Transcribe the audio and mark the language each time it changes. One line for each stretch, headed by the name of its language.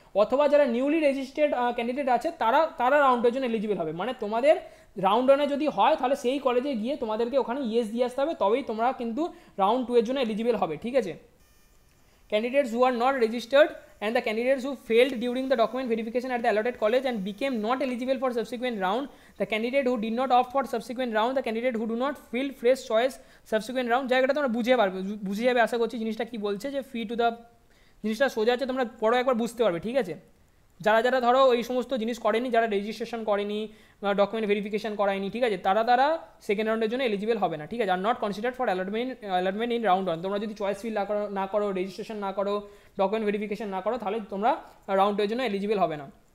Bangla: অথবা যারা newly registered candidate আছে তারা রাউন্ডের জন্য এলিজিবল হবে। মানে তোমাদের রাউন্ড 1 যদি হয় তাহলে সেই কলেজে গিয়ে তোমাদেরকে ওখানে ইয়েস দিয়ে আসতে হবে, তবেই তোমরা কিন্তু রাউন্ড 2 এর জন্য এলিজিবল হবে, ঠিক আছে?
English: candidates who are not registered and the candidates who failed during the document verification at the allotted college and became not eligible for subsequent round, the candidate who did not opt for subsequent round, the candidate who do not fill fresh choice subsequent round,
Bangla: জায়গাটা তোমরা বুঝে যাবে আশা করছি জিনিসটা কি বলছে, যে ফি to the জিনিসটা সোজা আছে, তোমরা পড়ো একবার বুঝতে পারবে, ঠিক আছে? যারা যারা ধরো এই সমস্ত জিনিস করেনি, যারা রেজিস্ট্রেশন করেনি, ডকুমেন্ট ভেরিফিকেশন করায়নি, ঠিক আছে, তারা সেকেন্ড রাউন্ডের জন্য এলিজিবল হবে না, ঠিক আছে?
English: are not considered for allotment in round 1,
Bangla: তোমরা যদি চয়েস ফিল না করো, রেজিস্ট্রেশন না করো, ডকুমেন্ট ভেরিফিকেশন না করো, তাহলে তোমরা রাউন্ড 2 এর জন্য এলিজিবল হবে না।